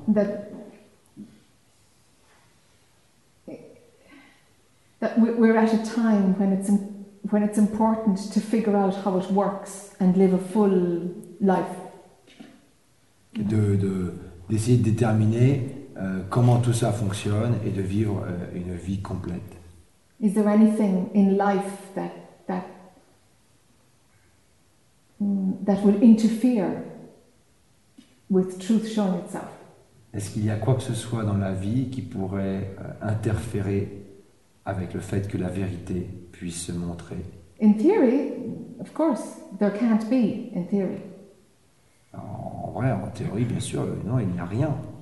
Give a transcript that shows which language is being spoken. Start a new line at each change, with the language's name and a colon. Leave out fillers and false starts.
English: That we're at a time when it's important to figure out how it works and live a full life.
French: D'essayer de déterminer comment tout ça fonctionne et de vivre une vie complète.
English: Is there anything in life that will interfere with truth showing itself?
French: Est-ce qu'il y a quoi que ce soit dans la vie qui pourrait interférer avec le fait que la vérité puisse se montrer?
English: In theory, of course, there can't be, in theory.
French: En théorie, bien sûr, non, il n'y a rien.